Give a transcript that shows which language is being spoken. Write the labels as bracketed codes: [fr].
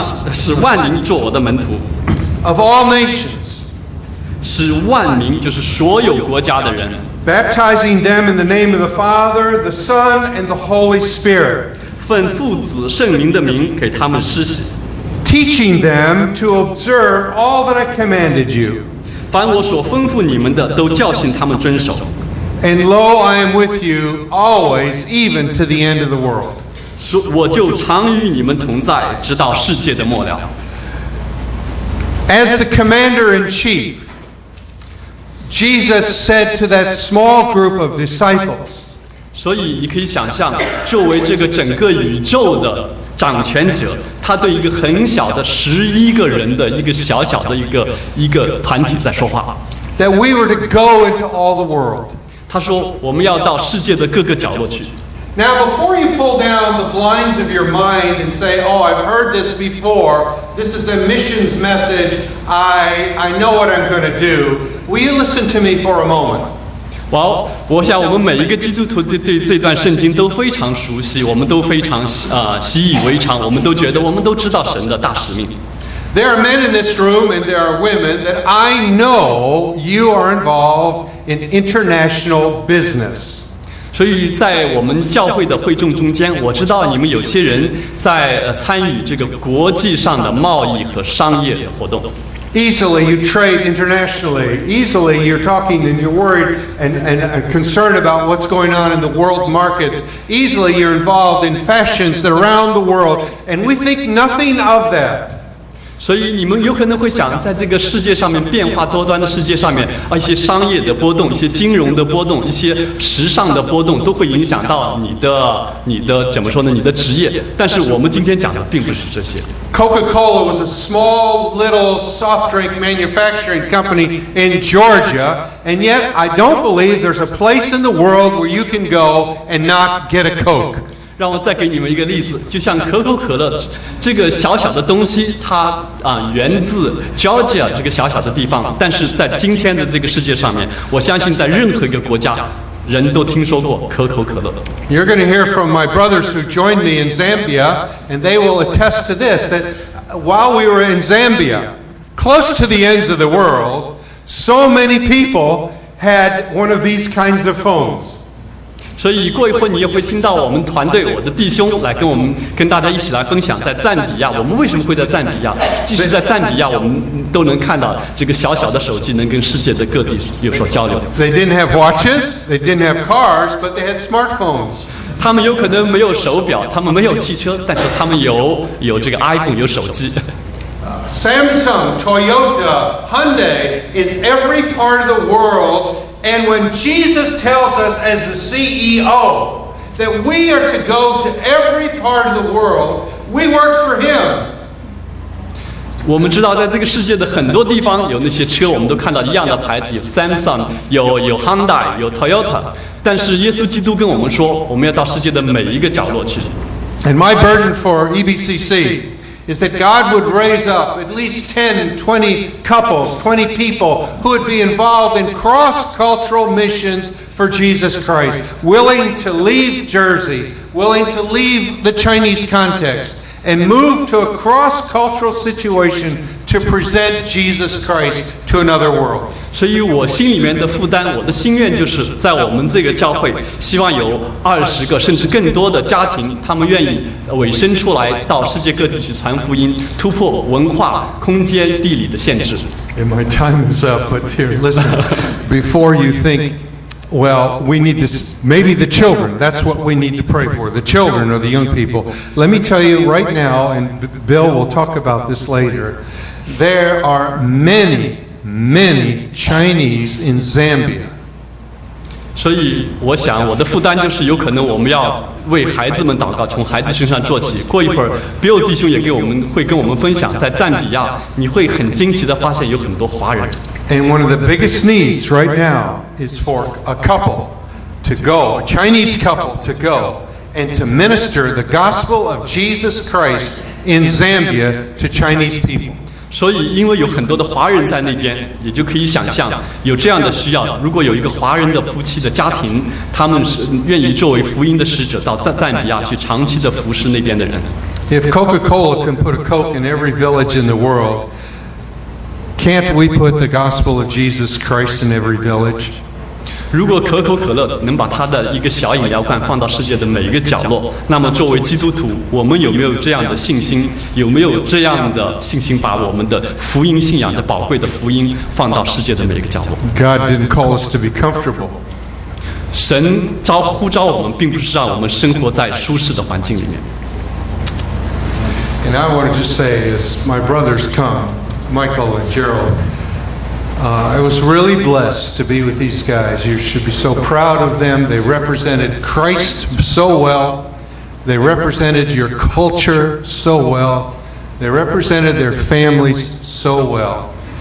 [zh] 所以下面耶稣说：“所以你们要去，让使万民做我的门徒。” [en] Of all nations. [zh] 使万民就是所有国家的人 [en] baptizing them in the name of the Father, the Son, and the Holy Spirit, [zh] 奉父子圣灵的名给他们施洗 [en] teaching them to observe all that I commanded you, [zh] 凡我所吩咐你们的都教训他们遵守 [en] and lo, I am with you always, even to the end of the world, [zh] 我就常与你们同在，直到世界的末了 [en] as the commander in chief. Jesus said to that small group of disciples, [zh] 所以你可以想象，作为这个整个宇宙的掌权者，他对一个很小的11个人的一个小小的一个团体在说话。 [en] That we were to go into all the world. [zh] 他说我们要到世界的各个角落去。 [en] Now, before you pull down the blinds of your mind and say, "Oh, I've heard this before. This is a missions message. I know what I'm going to do." Will you listen to me for a moment? Well, [zh] 我想我们每一个基督徒对这段圣经都非常熟悉，我们都非常习以为常，我们都觉得我们都知道神的大使命。 [en] There are men in this room, and there are women that I know you are involved in international business. [zh] 所以在我们教会的会众中间，我知道你们有些人在参与这个国际上的贸易和商业的活动。 [en] Easily you trade internationally. Easily you're talking and you're worried and concerned about what's going on in the world markets. Easily you're involved in fashions that are around the world, and we think nothing of that. [zh] 所以你们有可能会想，在这个世界上面变化多端的世界上面，一些商业的波动，一些金融的波动，一些时尚的波动，都会影响到你的怎么说呢？你的职业。但是我们今天讲的并不是这些。 [en] Coca-Cola was a small little soft drink manufacturing company in Georgia, and yet I don't believe there's a place in the world where you can go and not get a Coke. [zh] 让我再给你们一个例子，就像可口可乐这个小小的东西，它源自 Georgia 这个小小的地方，但是在今天的这个世界上面，我相信在任何一个国家人都听说过可口可乐。 [en] You're going to hear from my brothers who joined me in Zambia, and they will attest to this, that while we were in Zambia, close to the ends of the world, so many people had one of these kinds of phones. [zh] 所以过一会儿你也会听到我们团队我的弟兄来跟大家一起来分享，在赞比亚，我们为什么会在赞比亚，即使在赞比亚我们都能看到这个小小的手机能跟世界的各地有所交流。 [en] They didn't have watches, they didn't have cars, but they had smartphones. [zh] 他们有可能没有手表，他们没有汽车，但是他们有这个 iPhone, 有手机。 [en] Samsung, Toyota, Hyundai is every part of the worldAnd when Jesus tells us as the CEO that we are to go to every part of the world, we work for him. [zh] 我们知道在这个世界的很多地方有那些车，我们都看到一样的牌子，有 Samsung, 有 Hyundai, 有 Toyota, 但是耶稣基督跟我们说我们要到世界的每一个角落去。 [en] And my burden for EBCC is that God would raise up at least 10, 20 couples, 20 people who would be involved in cross-cultural missions for Jesus Christ, willing to leave Jersey, willing to leave the Chinese context, and move to a cross-cultural situation to present Jesus Christ to another world. [zh] 所以我心里面的负担，我的心愿就是在我们这个教会希望有20个甚至更多的家庭，他们愿意委身出来到世界各地去传福音，突破文化空间地理的限制。 [en] And my time is up, but here, listen, before you think, well, we need this, maybe the children, that's what we need to pray for, the children or the young people. Let me tell you right now, and Bill will talk about this later, there are many Chinese in Zambia. [zh] 所以我想我的负担就是有可能我们要为孩子们祷告，从孩子身上做起。过一会儿 Bill 弟兄也会跟我们分享，在赞比亚你会很惊奇的发现有很多华人。 [en] And one of the biggest needs right now is for a couple to go, a Chinese couple to go and to minister the gospel of Jesus Christ in Zambia to Chinese people. [zh] 所以因为有很多的华人在那边，也就可以想象有这样的需要，如果有一个华人的夫妻的家庭，他们是愿意作为福音的使者到赞比亚去长期的服侍那边的人。 [en] If Coca-Cola can put a Coke in every village in the world, can't we put the gospel of Jesus Christ in every village? [zh] 如果可口可乐能把它的一个小饮料罐放到世界的每一个角落，那么作为基督徒，我们有没有这样的信心，有没有这样的信心把我们的福音信仰的宝贵的福音放到世界的每一个角落？ [en] God didn't call us to be comfortable. [zh] 神呼召我们并不是让我们生活在舒适的环境里面。 [en] And I want to just say, as my brothers come, Michael and Gerald, I was really blessed to be with these guys. You should be so proud of them. They represented Christ so well. They represented your culture so well. They represented their families so well.